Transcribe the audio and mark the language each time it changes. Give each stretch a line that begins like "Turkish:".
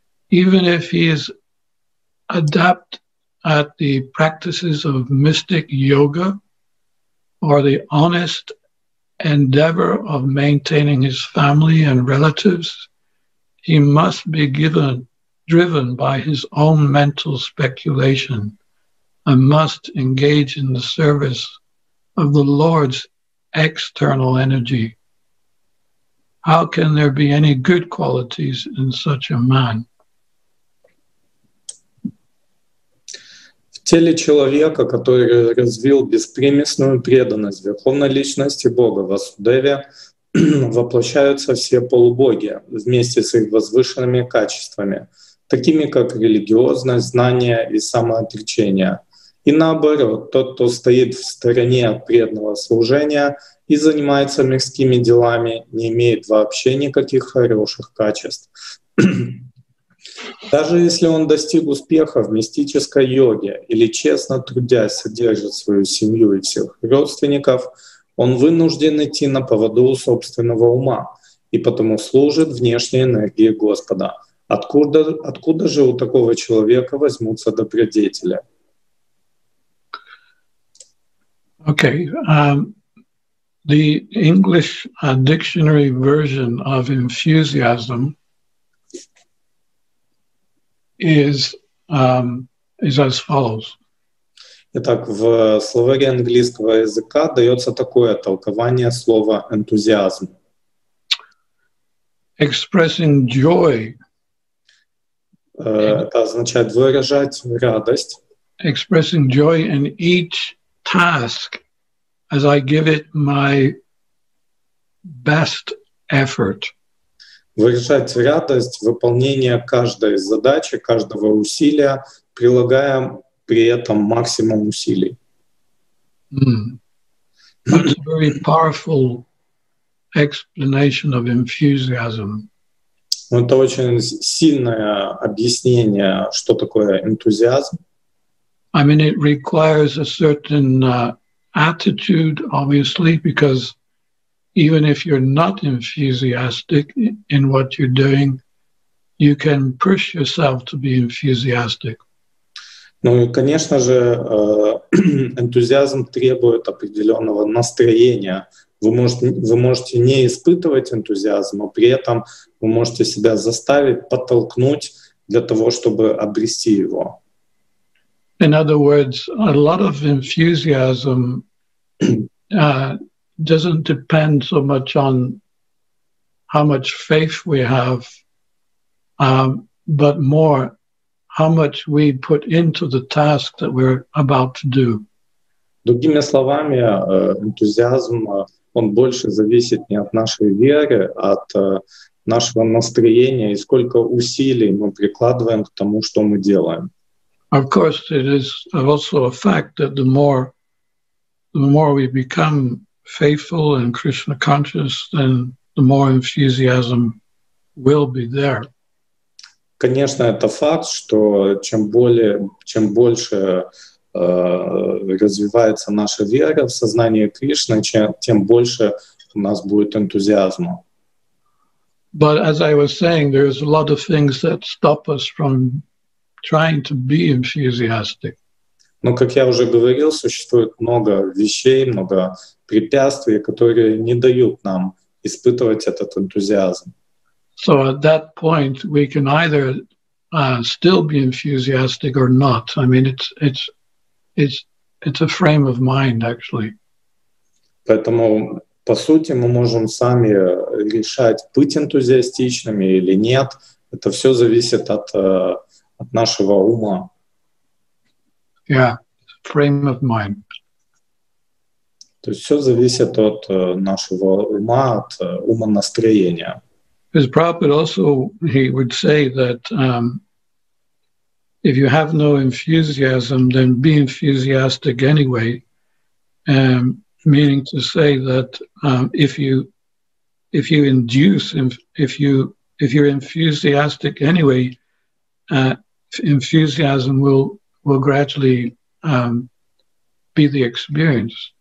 English: Even if he is adept at the practices of mystic yoga or the honest endeavor of maintaining his family and relatives, he must be driven by his own mental speculation and must engage in the service of the Lord's external energy. How can there be any good qualities in such a man?
Russian: В теле человека, который развил беспримесную преданность Верховной Личности Бога Васудеве, воплощаются все полубоги вместе с их возвышенными качествами, такими как религиозность, знание и самоотречение. И наоборот, тот, кто стоит в стороне от преданного служения и занимается мирскими делами, не имеет вообще никаких хороших качеств. Даже если он достиг успеха в мистической йоге или честно трудясь содержит свою семью и всех родственников, он вынужден идти на поводу собственного ума и потому служит внешней энергии Господа. Откуда же у такого человека возьмутся добродетели?
English: Okay, the English dictionary version of enthusiasm is as follows.
Russian: Итак, в словаре английского языка дается такое толкование слова энтузиазм.
English: Expressing joy.
Russian: Это означает выражать радость.
English: Expressing joy in each task as I give it my best effort.
Russian: Выражать радость выполнения каждой задачи, каждого усилия, прилагая при этом максимум усилий.
English: That's a very powerful explanation of enthusiasm.
Russian: Ну, это очень сильное объяснение, что такое энтузиазм.
English: I mean, it requires a certain attitude, obviously, because even if you're not enthusiastic in what you're doing, you can push yourself to be enthusiastic.
Russian: Ну, и, конечно же, энтузиазм требует определенного настроения. Вы можете не испытывать энтузиазм, но при этом вы можете себя заставить, подтолкнуть для того, чтобы обрести его.
English: In other words, a lot of enthusiasm doesn't depend so much on how much faith we have, but more how much we put into the task that we're about to do.
Russian: Другими словами, энтузиазм, он больше зависит не от нашей веры, а от нашего настроения и сколько усилий мы прикладываем к тому, что мы делаем.
English: Of course, it is also a fact that the more we become faithful and Krishna conscious, then the more enthusiasm will be there.
Russian: Конечно, это факт, что чем больше развивается наша вера в сознании Кришны, тем больше у нас будет энтузиазма.
English: But as I was saying, there's a lot of things that stop us from trying to be enthusiastic.
Russian: Но, как я уже говорил, существует много вещей, много препятствий, которые не дают нам испытывать этот энтузиазм.
English: So at that point we can either still be enthusiastic or not. I mean, it's a frame of mind, actually.
Russian: Поэтому, по сути, мы можем сами решать, быть энтузиастичными или нет. Это все зависит от нашего ума.
English: Yeah, frame of mind.
Russian: То есть все зависит от нашего ума, от умонастроения.
English: Because Prabhupada also, he would say that if you have no enthusiasm, then be enthusiastic anyway. Meaning to say that if you're enthusiastic anyway, enthusiasm will gradually be the experience.